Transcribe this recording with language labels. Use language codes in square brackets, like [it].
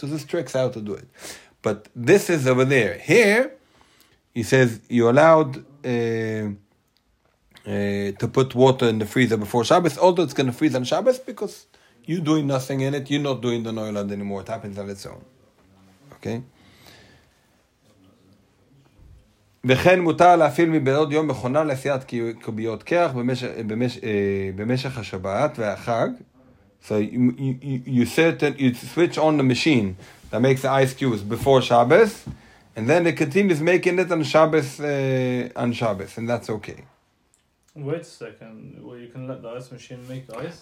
[en] So this tricks how to do it. But this is over there. Here, he says, you're allowed to put water in the freezer before Shabbos, although it's going to freeze on Shabbos because you're doing nothing in it, you're not doing the Neuland anymore. It happens on its own. Okay? [he] וכן מותר להפעיל מבעוד יום מכונה לעשיית קוביות קרח במשך השבת והחג. [en] So you switch on the machine that makes the ice cubes before Shabbos, and then it continues making it on Shabbos, and that's okay. Okay. Wait a second. Well, you can let the ice machine make ice?